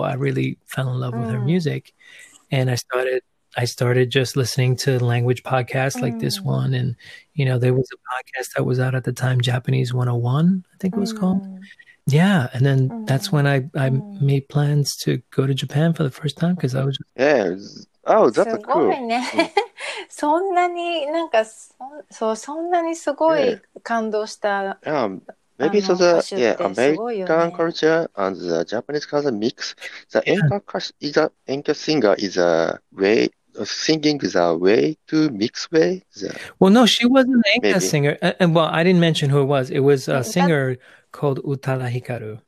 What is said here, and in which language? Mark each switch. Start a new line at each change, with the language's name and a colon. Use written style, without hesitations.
English: I really fell in love with her music. And I started just listening to language podcasts like this one. And, you know, there was a podcast that was out at the time, Japanese 101, I think it was called. Yeah. And then that's when I made plans to go to Japan for the first time, because I was just... Yeah. Oh, that's cool.
Japanese: すごいね。そんなになんか、そう、そんなにすごい感動した。
English: Maybe so the American culture and the Japanese culture mix. The Enka singer is a way singing the way to mix way? Well, no, she wasn't an Anka singer. And well, I didn't mention who it was. It was a singer called Utada Hikaru.